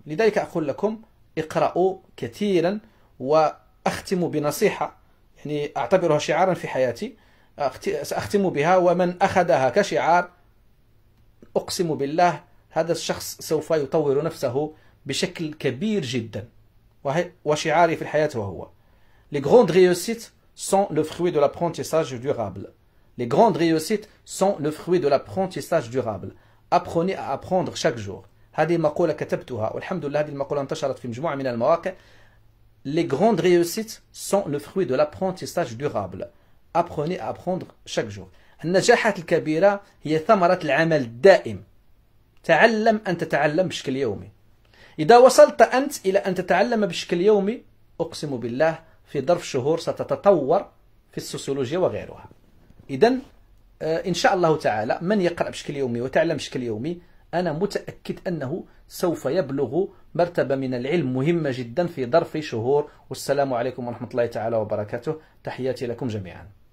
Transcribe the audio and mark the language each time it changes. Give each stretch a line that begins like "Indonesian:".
Arabic: لذلك أقول لكم اقرأوا كثيرا، وأختم بنصيحة يعني أعتبرها شعارا في حياتي سأختم بها، ومن أخذها كشعار أقسم بالله هذا الشخص سوف يطور نفسه بشكل كبير جدا. وشعاري في الحياة وهو
French: Les grandes réussites sont le fruit de l'apprentissage durable. Les grandes réussites sont le fruit de l'apprentissage durable. Apprenez à apprendre chaque jour.
Arabic: هذه مقولة كتبتها والحمد لله هذه المقولة انتشرت في مجموعة من المواقع.
French: Les grandes réussites sont le fruit de l'apprentissage durable. Apprenez à apprendre chaque jour.
Arabic: النجاحات الكبيرة هي ثمرة العمل الدائم. تعلم أن تتعلم بشكل يومي. إذا وصلت أنت إلى أن تتعلم بشكل يومي، أقسم بالله في ظرف شهور ستتطور في السوسيولوجيا وغيرها. إذا إن شاء الله تعالى من يقرأ بشكل يومي وتعلم بشكل يومي، أنا متأكد أنه سوف يبلغ مرتبة من العلم مهمة جدا في ظرف شهور. والسلام عليكم ورحمة الله تعالى وبركاته، تحياتي لكم جميعا.